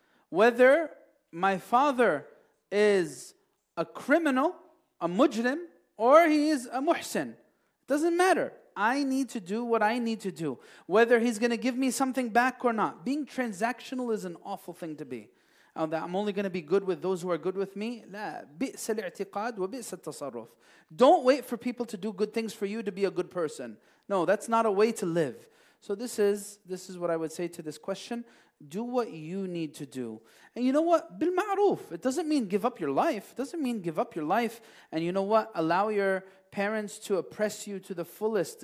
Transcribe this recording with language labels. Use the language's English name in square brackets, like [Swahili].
[English] Whether my father is a criminal, a mujrim, or he is a muhsin, doesn't matter. I need to do what I need to do. Whether he's going to give me something back or not. Being transactional is an awful thing to be. That I'm only going to be good with those who are good with me. [Arabic] لا بئس الاعتقاد وبئس التصرف. [English] Don't wait for people to do good things for you to be a good person. No, that's not a way to live. So this is what I would say to this question. Do what you need to do. And you know what? بالمعروف. It doesn't mean give up your life. It doesn't mean give up your life. And you know what? Allow your parents to oppress you to the fullest.